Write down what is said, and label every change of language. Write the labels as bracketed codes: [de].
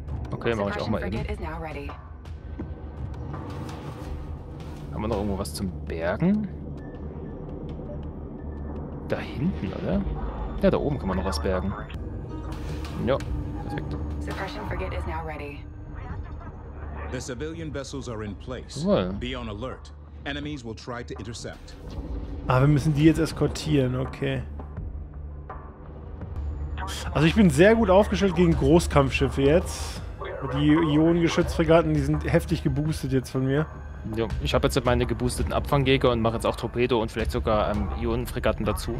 [de] Okay, mache ich auch mal eben. Haben wir noch irgendwo was zum Bergen? Da hinten, oder? Ja, da oben kann man noch was bergen. Ja, perfekt. [en] Suppression Frigate is now ready. The civilian vessels are in place. Cool. Be on alert. Enemies will try to intercept. [de] Ah, wir müssen die jetzt eskortieren, okay. Also ich bin sehr gut aufgestellt gegen Großkampfschiffe jetzt. Die Ionengeschützfregatten, die sind heftig geboostet jetzt von mir. Ja, ich habe jetzt meine geboosteten Abfangjäger und mache jetzt auch Torpedo und vielleicht sogar Ionenfregatten dazu.